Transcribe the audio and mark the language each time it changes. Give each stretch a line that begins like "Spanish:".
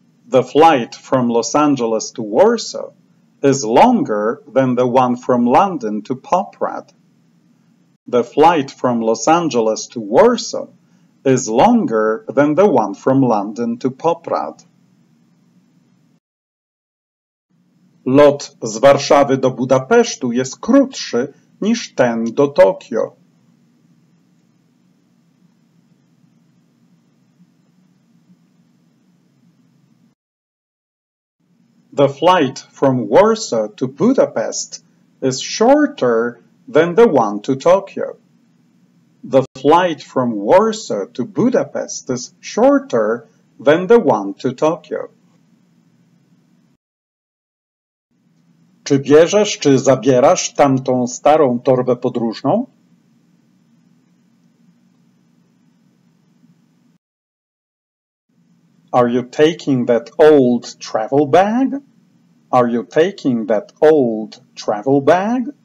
English: The flight from Los Angeles to Warsaw is longer than the one from London to Poprad. The flight from Los Angeles to Warsaw is longer than the one from London to Poprad.
Polish: Lot z Warszawy do Budapesztu jest krótszy niż ten do Tokio.
English: The flight from Warsaw to Budapest is shorter than the one to Tokyo. The flight from Warsaw to Budapest is shorter than the one to Tokyo.
Polish: Czy bierzesz, czy zabierasz tamtą starą torbę podróżną?
English: Are you taking that old travel bag? Are you taking that old travel bag?